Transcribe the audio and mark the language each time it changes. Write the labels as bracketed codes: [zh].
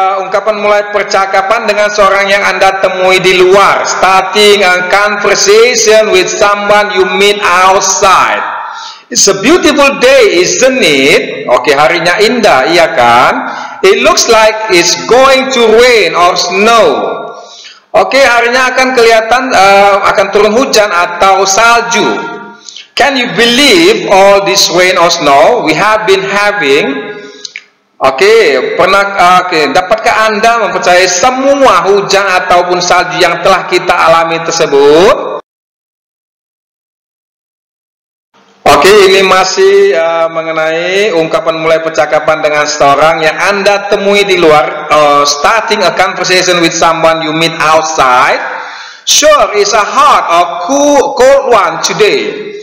[id] Ungkapan mulai percakapan dengan seorang yang Anda temui di luar. [en] Starting a conversation with someone you meet outside. It's a beautiful day, isn't it? [id] Harinya indah, iya kan? [en] It looks like it's going to rain or snow. [id] Harinya akan kelihatan akan turun hujan atau salju. [en] Can you believe all this rain or snow we have been having? [id] Dapatkah Anda mempercayai semua hujan ataupun salju yang telah kita alami tersebut? Ini masih mengenai ungkapan mulai percakapan dengan seorang yang Anda temui di luar. [en] Starting a conversation with someone you meet outside. Sure, it's a hot or cold one today.